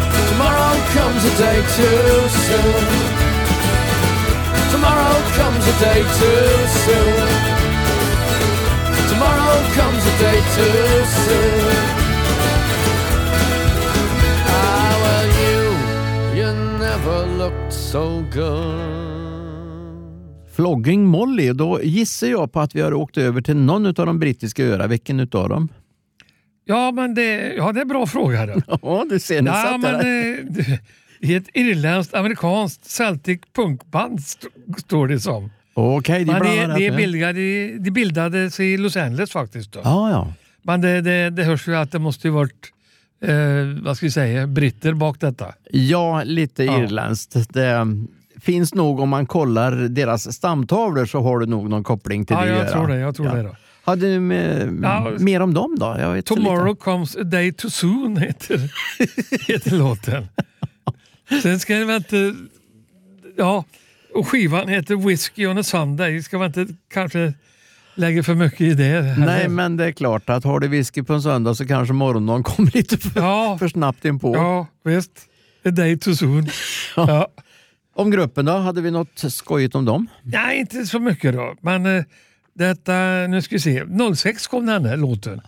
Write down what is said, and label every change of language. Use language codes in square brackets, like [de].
[en] Tomorrow comes a day too soon. Tomorrow comes a day too soon. Tomorrow comes a day too soon. Ah, well, you never looked so good. [sv] Flogging Molly, då gissar jag på att vi har åkt över till någon av de brittiska öarna. Vilken utav dem? Ja, men det är en bra fråga. Då. Ja, du ser ni satt där. Det är ett irländskt, amerikanskt, celtic punkband står det som. Okay, de bildades i Los Angeles faktiskt då. Ah, ja. Men det hörs ju att det måste ju varit vad ska vi säga, britter bak detta. Ja, lite irländskt. Det finns nog, om man kollar deras stamtavlor, så har du nog någon koppling till det. Jag tror det då. Hade du mer om dem då? Jag vet Tomorrow lite. [en] Comes a day too soon [sv] heter låten. Sen ska jag inte... Ja... Och skivan heter Whiskey on a Sunday. Ska man inte kanske lägga för mycket i det? Eller? Nej, men det är klart att har du whisky på en söndag så kanske morgonen kommer lite för snabbt in på. Ja, visst. [en] A day too soon. [sv] Ja. Om gruppen då? Hade vi något skojigt om dem? Nej, inte så mycket då. Men Detta, nu ska vi se, 06 kom den här låten.